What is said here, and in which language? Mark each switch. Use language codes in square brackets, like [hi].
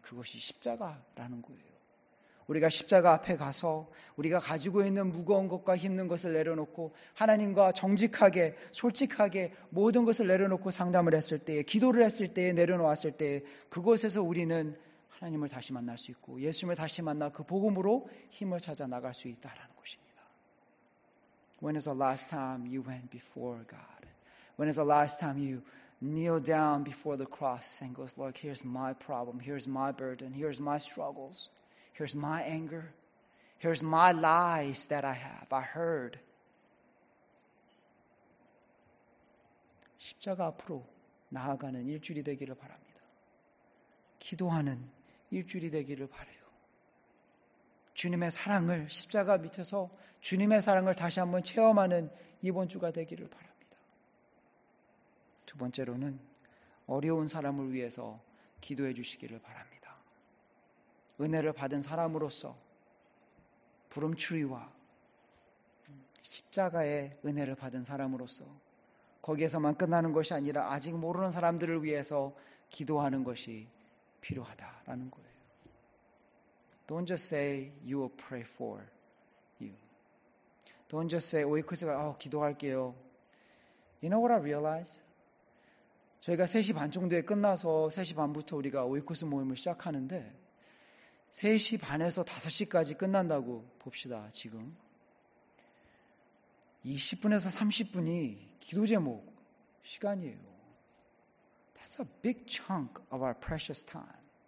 [ko] 그것이 십자가라는 거예요. 우리가 십자가 앞에 가서 우리가 가지고 있는 무거운 것과 힘든 것을 내려놓고 하나님과 정직하게 솔직하게 모든 것을 내려놓고 상담을 했을 때에, 기도를 했을 때에, 내려놓았을 때에 그곳에서 우리는 하나님을 다시 만날 수 있고 예수님을 다시 만나 그 복음으로 힘을 찾아 나갈 수 있다라는 것입니다. [en] When is the last time you went before God? When is the last time you kneel down before the cross and goes, Lord, here's my problem, here's my burden, here's my struggles, here's my anger, here's my lies that I have, I heard. [ko] 십자가 앞으로 나아가는 일주일이 되기를 바랍니다. 기도하는 일주일이 되기를 바라요. 주님의 사랑을 십자가 밑에서 주님의 사랑을 다시 한번 체험하는 이번 주가 되기를 바랍니다. 두 번째로는 어려운 사람을 위해서 기도해 주시기를 바랍니다. 은혜를 받은 사람으로서 부름추리와 십자가의 은혜를 받은 사람으로서 거기에서만 끝나는 것이 아니라 아직 모르는 사람들을 위해서 기도하는 것이 필요하다라는 거예요. [en] Don't just say you will pray for you. Don't just say, [ko] 오이쿠스가 기도할게요. [en] You know what I realize? [ko] 저희가 3시 반 정도에 끝나서 3시 반부터 우리가 오이코스 모임을 시작하는데 3시 반에서 5시까지 끝난다고 봅시다. 지금 20분에서 30분이 기도 제목 시간이에요. [en] That's a big chunk of our precious time.